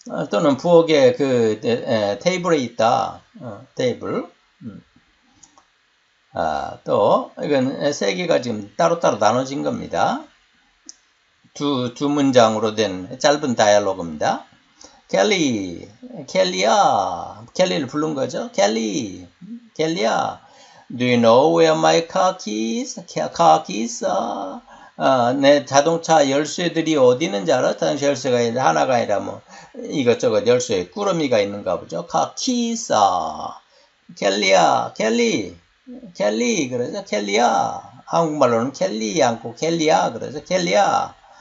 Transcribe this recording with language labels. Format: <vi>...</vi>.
<ko>또는 부엌에 그 테이블에 있다. 테이블. 또 이건 세 개가 지금 따로따로 나눠진 겁니다. 두 문장으로 된 짧은 다이얼로그입니다. 켈리, 켈리야, 켈리를 부른 거죠?</ko> <en>켈리, 켈리야, Do you know where my car keys? Car keys are?</en> <ko>내 자동차 열쇠들이 어디 있는지 알아? 자동차 열쇠가 하나가 아니라 뭐 이것저것 열쇠에 꾸러미가 있는가 보죠. 카 키스. 켈리야, 켈리, 켈리 그래서 켈리야. 한국말로는 켈리 않고 켈리야 그래서 켈리야.</ko>